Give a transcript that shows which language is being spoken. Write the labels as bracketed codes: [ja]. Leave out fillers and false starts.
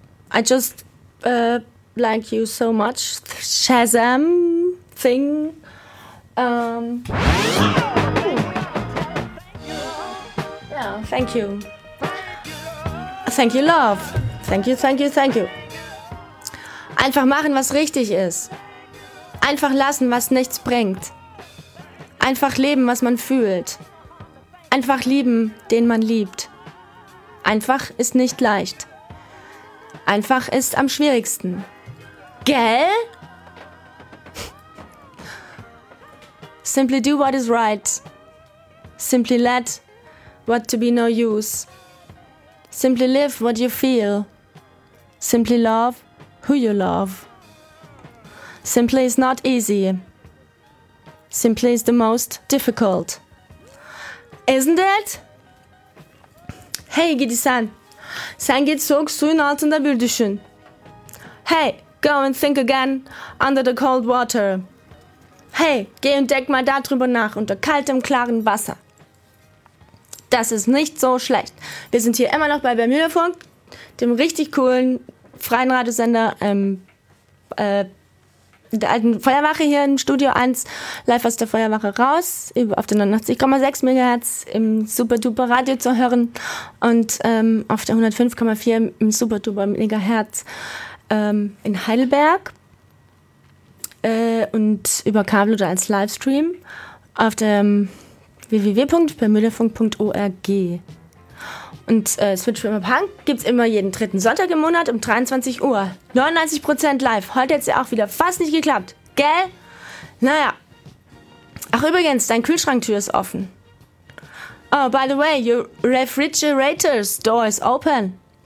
[en] I just like you so much. Shazam thing. Thank you. Thank you, love. Thank you, thank you, thank you. [de] Einfach machen, was richtig ist. Einfach lassen, was nichts bringt. Einfach leben, was man fühlt. Einfach lieben, den man liebt. Einfach ist nicht leicht. Einfach ist am schwierigsten. Gell? [en] Simply do what is right. Simply let what to be no use. Simply live what you feel. Simply love who you love. Simply is not easy. Simply is the most difficult. Isn't it? Hey, [tr] gidi sen. Sen git soğuk suyun altında bir düşün. [en] Hey, go and think again under the cold water. [de] Hey, geh und denk mal darüber nach unter kaltem, klarem Wasser. Das ist nicht so schlecht. Wir sind hier immer noch bei Bermudafunk, dem richtig coolen freien Radiosender der alten Feuerwache hier im Studio 1, live aus der Feuerwache raus, auf den 89,6 MHz im Superduper Radio zu hören und auf der 105,4 im Superduper Megahertz in Heidelberg und über Kabel oder als Livestream auf dem www.bermudafunk.org. Und Switch Rhythm Punk gibt's immer jeden dritten Sonntag im Monat um 23 Uhr. 99% live. Heute hat's ja auch wieder fast nicht geklappt. Gell? Naja. Ach übrigens, dein Kühlschranktür ist offen. [en] Oh, by the way, your refrigerator's door is open.